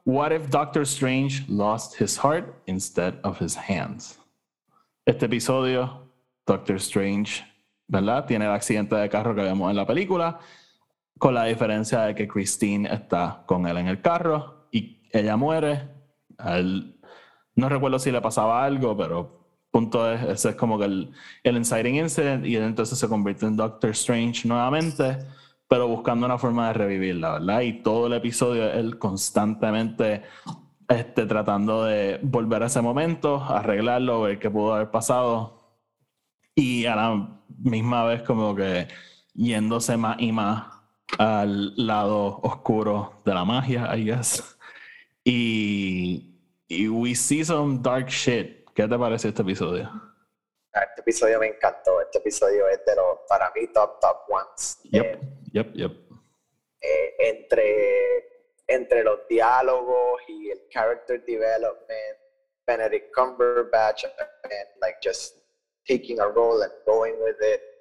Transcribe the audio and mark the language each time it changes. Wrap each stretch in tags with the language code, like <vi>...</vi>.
<en>What if Doctor Strange lost his heart instead of his hands?</en> <es>Este episodio, Doctor Strange, ¿verdad? Tiene el accidente de carro que vemos en la película, con la diferencia de que Christine está con él en el carro y ella muere. Él, no recuerdo si le pasaba algo, pero punto es, ese es como que el inciting incident y él entonces se convierte en Doctor Strange nuevamente. Pero buscando una forma de revivirla, ¿verdad? Y todo el episodio él constantemente tratando de volver a ese momento, arreglarlo, ver qué pudo haber pasado. Y a la misma vez como que yéndose más y más al lado oscuro de la magia,</es> <en>I guess. Y we see some dark shit.</en> <es>¿Qué te pareció este episodio? Este episodio me encantó. Este episodio es de los, para mí, top ones.</es> <en>Yep. Yep.</en> <es>Entre los diálogos y el</es> <en>character development, Benedict Cumberbatch, and like just taking a role and going with it.</en>